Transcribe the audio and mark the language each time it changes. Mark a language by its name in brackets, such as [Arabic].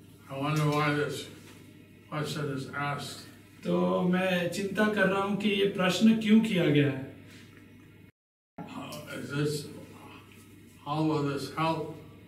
[English] I wonder why this question is asked. [Hindi] तो मैं चिंता कर रहा हूँ कि ये प्रश्न क्यों किया गया है. [English] Is this, how will this help?